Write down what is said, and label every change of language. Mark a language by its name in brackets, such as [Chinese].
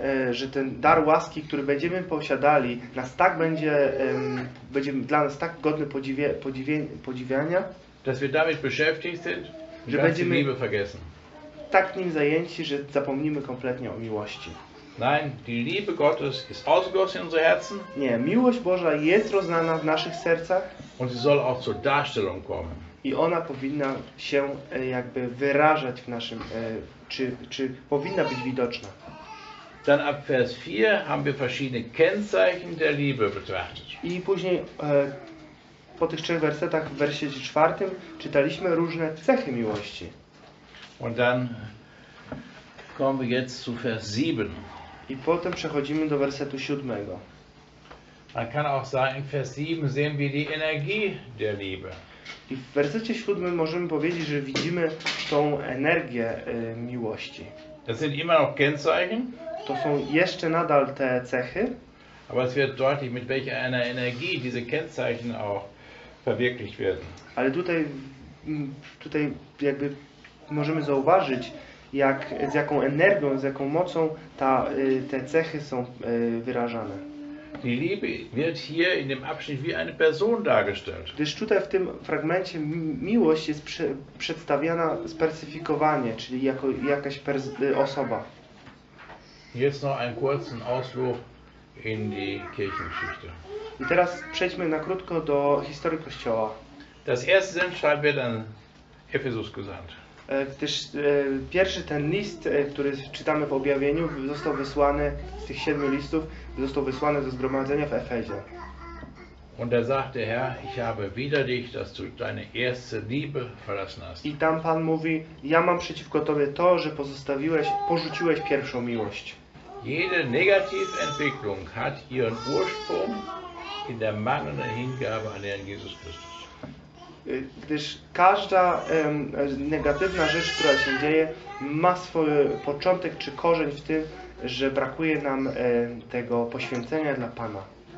[Polish] że ten dar łaski, który będziemy posiadali, nas tak będzie dla nas tak godny podziwiania, [German] dass wir damit beschäftigt sind, [Polish] że będziemy [German] Liebe vergessen. [Polish] Tak nim zajęci, że zapomnimy kompletnie o miłości. [German] Nein, die Liebe Gottes ist ausgegossen in unsere Herzen. [Polish] Nie, miłość Boża jest rozlana w naszych sercach. [German] Und sie soll auch zur Darstellung kommen. [Polish] I ona powinna się jakby wyrażać w naszym, czy powinna być widoczna. [German] Dann ab Vers 4 haben wir verschiedene Kennzeichen der Liebe betrachtet. [Polish] I później po tych trzech wersetach w wersie 4 czytaliśmy różne cechy miłości. [German] Und dann kommen wir jetzt zu Vers 7. [Polish] I potem przechodzimy do wersetu 7. [German] Man kann auch sagen, in Vers 7 sehen wir die Energie der Liebe. [Polish] I w wersecie 7 możemy powiedzieć, że widzimy tą energię miłości. [German] Das sind immer noch Kennzeichen. [Polish] To są jeszcze nadal te cechy. [German] Aber es wird deutlich, mit welcher einer Energie diese Kennzeichen auch verwirklicht werden. [Polish] Ale tutaj jakby możemy zauważyć, jak, z jaką energią, z jaką mocą te cechy są wyrażane. [German] Die Liebe wird hier in dem Abschnitt wie eine Person dargestellt. [Polish] Gdyż tutaj w tym fragmencie miłość jest przedstawiana spersyfikowanie, czyli jako jakaś osoba. [German] Jetzt noch einen kurzen Ausflug in die Kirchengeschichte. [Polish] I teraz przejdźmy na krótko do historii Kościoła. [German] Das erste Sendschreiben wird an Ephesus gesandt. [Polish] Gdyż pierwszy ten list, który czytamy w objawieniu, został wysłany z tych 7 listów, został wysłany ze zgromadzenia w Efezie. [German] Und da sagt der Herr, ich habe wider dich, dass du deine erste Liebe verlassen hast. [Polish] I tam Pan mówi, ja mam przeciwko tobie to, że porzuciłeś pierwszą miłość. [German] Jede negative Entwicklung hat ihren Ursprung in der mangelnden Hingabe an Herrn Jesus Christus. [Polish] Gdyż każda negatywna rzecz, która się dzieje, ma swój początek czy korzeń w tym, że brakuje nam tego poświęcenia dla Pana.